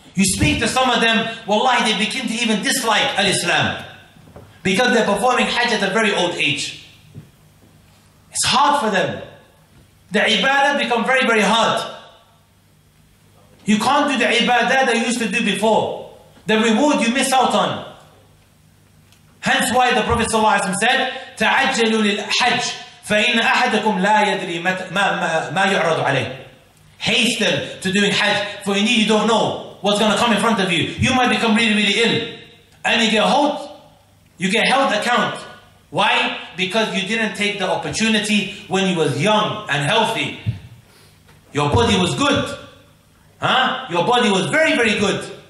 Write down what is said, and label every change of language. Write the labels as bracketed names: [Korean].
[English] You speak to some of them, wallahi, they begin to even dislike Al-Islam. Because they're performing Hajj at a very old age. It's hard for them. The ibadah become very, very hard. You can't do the ibadah that you used to do before. The reward you miss out on. Hence why the Prophet ﷺ said, [Arabic] تَعَجَّلُوا لِلْحَجِّ فَإِنَّ أَحَدَكُمْ لَا يَدْرِي مَا يُعْرَضُ عَلَيْهِ. [English] Hasten to doing Hajj, for indeed you don't know what's going to come in front of you. You might become really, really ill. And you get held account. Why? Because you didn't take the opportunity when you was young and healthy. Your body was good. Huh? Your body was very, very good.